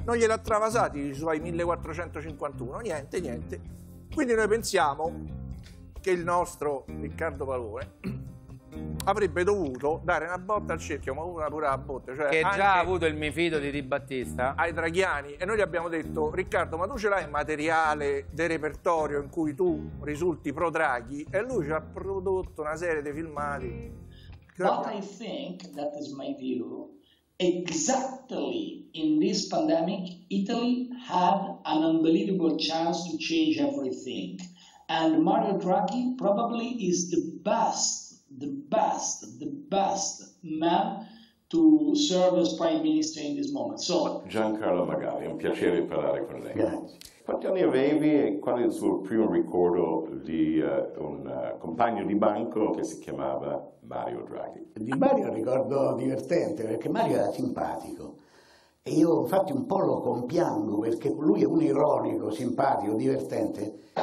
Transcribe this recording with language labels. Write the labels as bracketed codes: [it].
[it] non gliel'ha travasati i suoi 1451, niente, quindi noi pensiamo che il nostro Riccardo Palone avrebbe dovuto dare una botta al cerchio, ma una pura botta, cioè che già ha avuto il mifido di Di Battista ai draghiani, e noi gli abbiamo detto: Riccardo, ma tu ce l'hai materiale del repertorio in cui tu risulti pro Draghi? E lui ci ha prodotto una serie di filmati. [en] What I think, that is my view, exactly in this pandemic Italy had an unbelievable chance to change everything, and Mario Draghi probably is the best man to serve as prime minister in this moment. So, [it] Giancarlo Magali, è un piacere parlare con lei. Grazie. Quanti anni avevi e qual è il suo primo ricordo di un compagno di banco che si chiamava Mario Draghi? Di Mario ricordo divertente, perché Mario era simpatico e io infatti un po' lo compiango, perché lui è un ironico, simpatico, divertente.